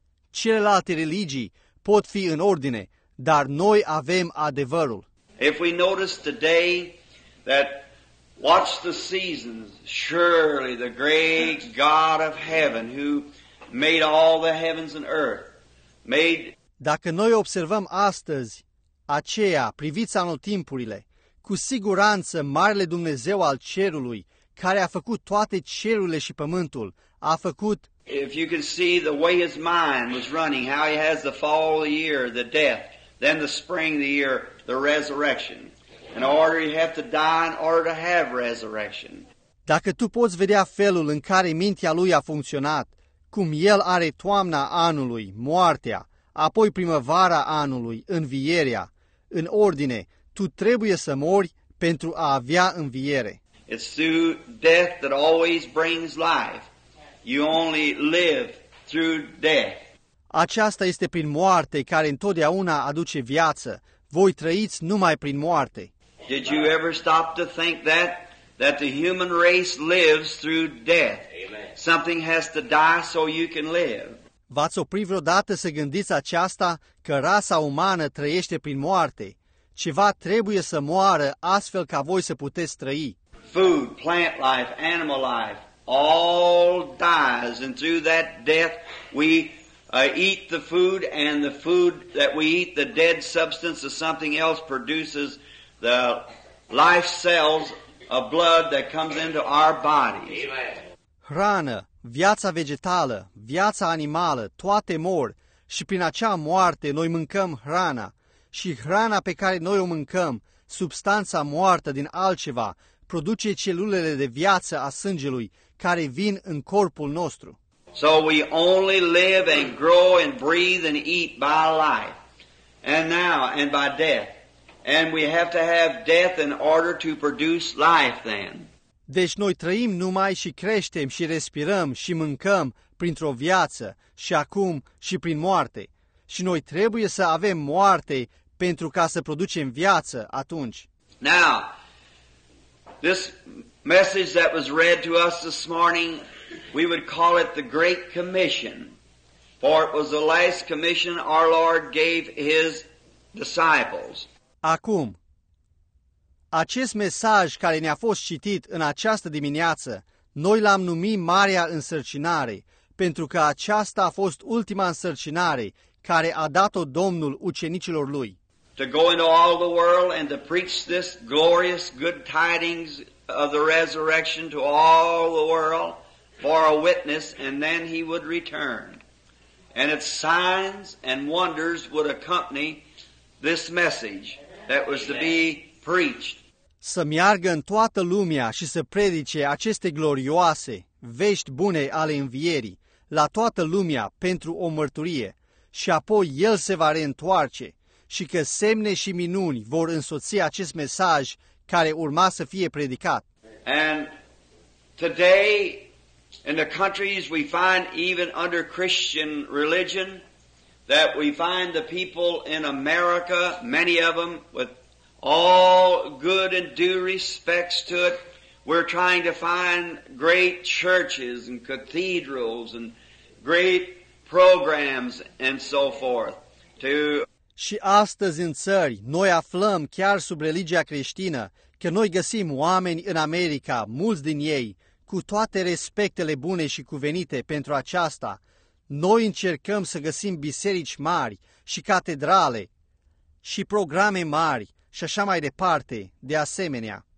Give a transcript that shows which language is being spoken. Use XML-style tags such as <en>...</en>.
<ro>Celelalte religii pot fi în ordine, dar noi avem adevărul.</ro> <en>If we notice today that watch the seasons, surely the great God of heaven who made all the heavens and earth made.</en> <ro>Dacă noi observăm astăzi aceea, priviți anotimpurile, cu siguranță marele Dumnezeu al cerului, care a făcut toate cerurile și pământul, a făcut.</ro> <en>If you can see the way his mind was running, how he has the fall of the year, the death, then the spring of the year, the resurrection. In order you have to die in order to have resurrection.</en> <ro>Dacă tu poți vedea felul în care mintea lui a funcționat, cum el are toamna anului, moartea, apoi primăvara anului, învierea, în ordine, tu trebuie să mori pentru a avea înviere.</ro> <en>It's through death that always brings life. You only live through death.</en> <ro>Aceasta este prin moarte care întotdeauna aduce viață. Voi trăiți numai prin moarte.</ro> <en>Did you ever stop to think that the human race lives through death? Amen. Something has to die so you can live.</en> <ro>V-ați oprit vreodată să gândiți aceasta, că rasa umană trăiește prin moarte? Ceva trebuie să moară astfel ca voi să puteți trăi.</ro> <en>Food, plant life, animal life, all dies, and through that death we eat the food, and the food that we eat, the dead substance of something else produces the life cells of blood that comes into our bodies.</en> <ro>Hrană, viața vegetală, viața animală, toate mor și prin acea moarte noi mâncăm hrana. Și hrana pe care noi o mâncăm, substanța moartă din altceva, produce celulele de viață a sângelui care vin în corpul nostru.</ro> <en>So we only live and grow and breathe and eat by life and now and by death. And we have to have death in order to produce life then.</en> <ro>Deci noi trăim numai și creștem și respirăm și mâncăm printr-o viață și acum și prin moarte. Și noi trebuie să avem moarte pentru ca să producem viață atunci.</ro> <en>Now, this message that was read to us this morning, we would call it the Great Commission. For it was the last commission our Lord gave his disciples.</en> <ro>Acum, acest mesaj care ne-a fost citit în această dimineață, noi l-am numit Marea Însărcinare, pentru că aceasta a fost ultima însărcinare care a dat-o Domnul ucenicilor lui.</ro> <en>To go into all the world and to preach this glorious good tidings of the resurrection to all the world for a witness, and then he would return. And its signs and wonders would accompany this message that was to be preached.</en> <ro>Să meargă în toată lumea și să predice aceste glorioase vești bune ale învierii la toată lumea pentru o mărturie. și apoi el se va reîntoarce și că semne și minuni vor însoți acest mesaj care urma să fie predicat.</ro> <en>And today in the countries we find even under Christian religion that we find the people in America, many of them with all good and due respects to it, we're trying to find great churches and cathedrals and great programs and so forth.</en> <ro>Și astăzi în țări, noi aflăm chiar sub religia creștină că noi găsim oameni în America, mulți din ei, cu toate respectele bune și cuvenite pentru aceasta. Noi încercăm să găsim biserici mari și catedrale și programe mari și așa mai departe, de asemenea.</ro>